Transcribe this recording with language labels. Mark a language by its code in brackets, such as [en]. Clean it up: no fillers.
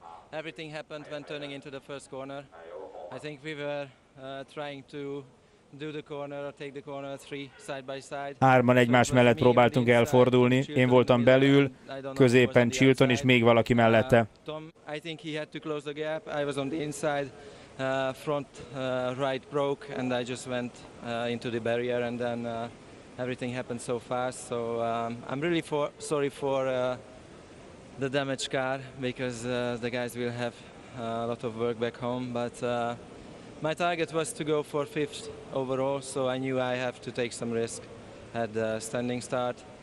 [en] Everything happened when turning into the first corner. I think we were trying to do the corner or take the corner three side by side. [hu] Hárman egymás mellett próbáltunk elfordulni. Én voltam belül, középen Chilton és még valaki mellette. [en] Tom, I think he had to close the gap. I was on the inside. Front right broke and I just went into the barrier and then everything happened so fast. So I'm really sorry for the damaged car, because the guys will have a lot of work back home, but my target was to go for fifth overall, so I knew I have to take some risk at the standing start.